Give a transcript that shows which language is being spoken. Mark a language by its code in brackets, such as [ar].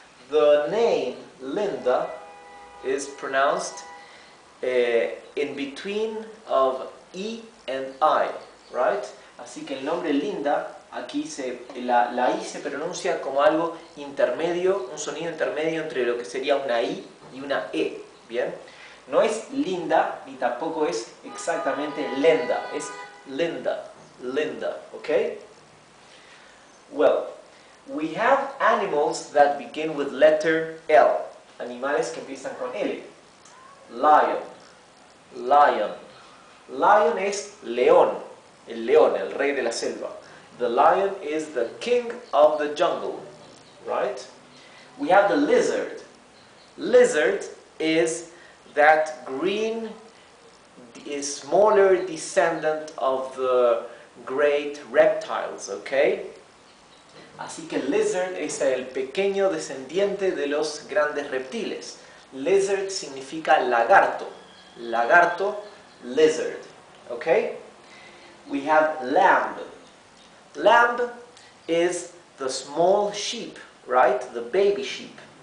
[en] The name Linda is pronounced in between of E and I, right? [es] Así que el nombre Linda, aquí la I se pronuncia como algo intermedio, un sonido intermedio entre lo que sería una I y una E, ¿bien? No es Linda, ni tampoco es exactamente Lenda, es Linda, Linda, ¿ok? [en] Well, we have animals that begin with letter L. [es] Animales que empiezan con L. Lion. Lion. Lion es león. El león, el rey de la selva. [en] The lion is the king of the jungle. Right? We have the lizard. Lizard is that green, smaller descendant of the great reptiles. Okay? [es] Así que lizard es el pequeño descendiente de los grandes reptiles. Lizard significa lagarto. Lagarto, lizard. ¿Ok? [en] We have lamb. Lamb is the small sheep, right? The baby sheep.